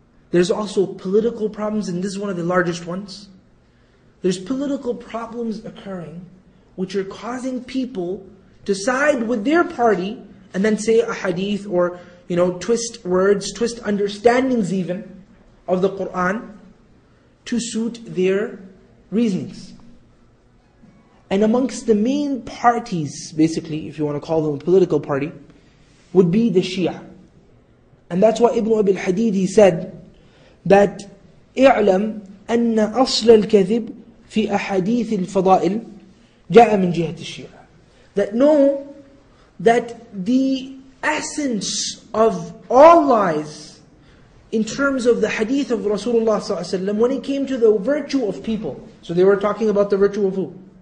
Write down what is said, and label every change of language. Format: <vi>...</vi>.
<en>There's also political problems, and this is one of the largest ones. There's political problems occurring, which are causing people to side with their party, and then say a hadith, or, you know, twist words, twist understandings even, of the Qur'an, to suit their reasonings. And amongst the main parties, basically, if you want to call them a political party, would be the Shia. And that's why Ibn Abi al-Hadid, he said that</en> <ar>اعلم أن أصل الكذب في أحاديث الفضائل جاء من جهة الشيعة.</ar> <en>That know that the essence of all lies in terms of the hadith of Rasulullah صلى الله عليه وسلم, when it came to the virtue of people, so they were talking about the virtue of who?</en>